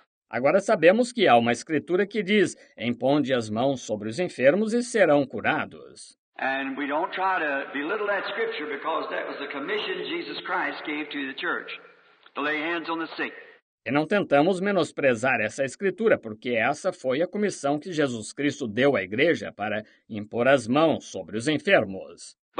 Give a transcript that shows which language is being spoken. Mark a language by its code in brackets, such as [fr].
[pt] Agora sabemos que há uma escritura que diz, impõe as mãos sobre os enfermos e serão curados. [en] And we don't try to belittle that scripture because that was the commission Jesus Christ gave to the church, to lay hands on the sick. [pt] E não tentamos menosprezar essa escritura, porque essa foi a comissão que Jesus Cristo deu à igreja para impor as mãos sobre os enfermos.